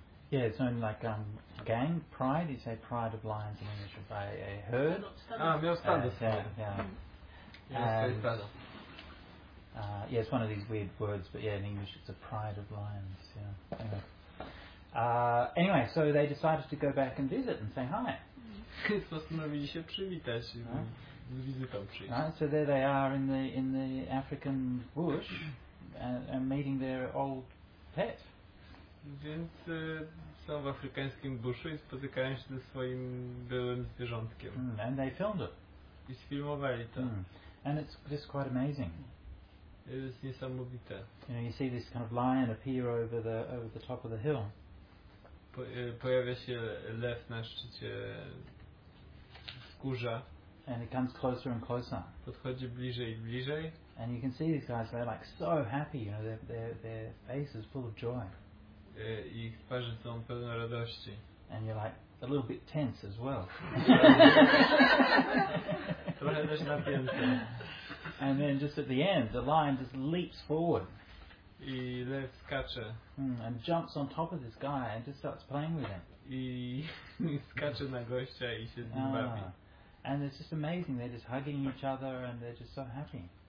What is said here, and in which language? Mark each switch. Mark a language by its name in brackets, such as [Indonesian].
[English] Yeah, it's own like gang pride. You say pride of lions in English, by a herd. [Polish] Ah, miał stado. [English] Yeah, it's one of these weird words, but yeah, in English it's a pride of lions. Yeah. Anyway, so they decided to go back and visit and say hi. [Polish] Postanowili się przywitać z wizytą przyjść. [English] Right, so there they are in the African bush, and meeting their old pet. [Polish] Więc są w afrykańskim buszu i spotykają się ze swoim byłym zwierzątkiem. [English] And they filmed it. [Polish] I sfilmowali to. [English] And it's just quite amazing. It is [Polish] niesamowite. [English] You know, you see this kind of lion appear over the top of the hill. [Polish] Pojawia się lew na szczycie wzgórza. [English] And it comes closer and closer. [Polish] Podchodzi bliżej i bliżej. [English] And you can see these guys, they're like so happy, you know, their face is full of joy. [Polish] Ich twarze są pełne radości. [English] And you're like a little bit tense as well. [Polish] Trochę też napięte. [English] And then just at the end, the lion just leaps forward. [Polish] I lew skacze. [English] And jumps on top of this guy and just starts playing with him. [Polish] I skacze na gościa i się z nim bawi. [English] And it's just amazing. They're just hugging each other and they're just so happy.